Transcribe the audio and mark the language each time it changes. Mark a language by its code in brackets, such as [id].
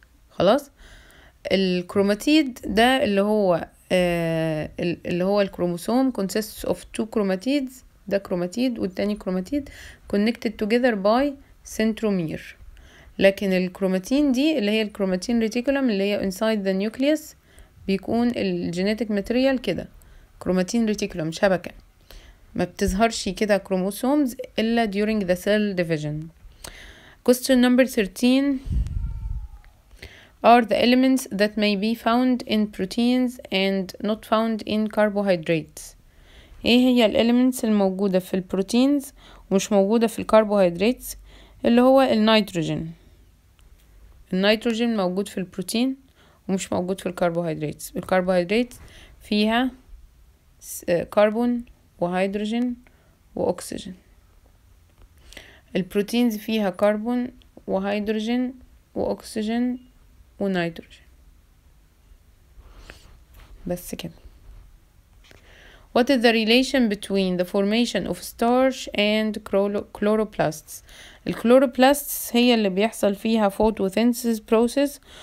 [ar] خلاص، الكروماتيد ده اللي هو اللي هو الكروموسوم [en] consists of two chromatids، [ar] ده كروماتيد والتاني كروماتيد [en] connected together by centromere. [ar] لكن الكروماتين دي اللي هي الكروماتين ريتيكولم اللي هي [en] inside the nucleus، [ar] بيكون الجينيتك ماتريال كده كروماتين ريتيكولم شبكة، ما بتظهرش كده كروموسومز إلا [en] during the cell division. question number 13 are the elements that may be found in proteins and not found in carbohydrates. [ar] ايه هي ال elements الموجودة في ال proteins ومش موجودة في ال carbohydrates؟ اللي هو ال nitrogen. ال nitrogen موجود في ال protein ومش موجود في ال carbohydrates. ال carbohydrates فيها carbon و hydrogen و oxygen. ال proteins فيها carbon و hydrogen و oxygen ونيتروجين. بس كده. [en] what is the relation between the formation of starch and chloroplasts؟ [ar] الكلوروبلاستس هي اللي بيحصل فيها photosynthesis process.